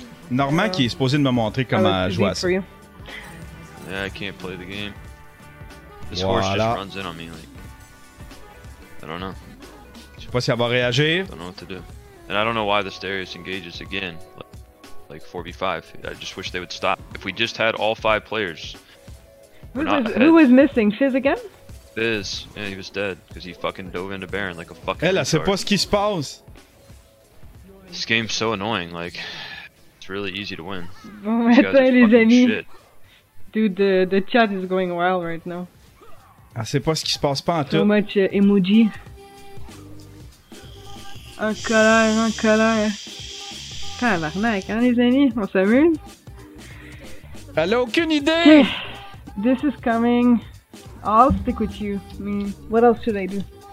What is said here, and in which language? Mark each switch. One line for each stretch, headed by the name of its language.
French: Normand qui est supposé de me montrer comment jouer à ça.
English: Yeah, I can't play the game. This horse just runs in on me, like... I don't know.
French: Je sais pas si elle va réagir.
English: I don't know what to do. And I don't know why the Darius engages again, like 4v5. I just wish they would stop. If we just had all five players. Who was missing? Fizz again? Fizz. Yeah, he was dead because he fucking dove into Baron like a fucking.
French: Elle, elle sait pas ce qui se passe.
English: This game's so annoying. Like, it's really easy to win.
French: Bon, attends, les amis. Shit.
English: Dude, the chat is going wild right now.
French: Elle sait pas ce qui se passe pas en tout.
English: So much emoji.
French: En colère, en colère. Tabarnak, hein, les amis? On s'amuse? Elle a aucune idée!
English: This is coming. I'll stick with you. I mean, what else should I do?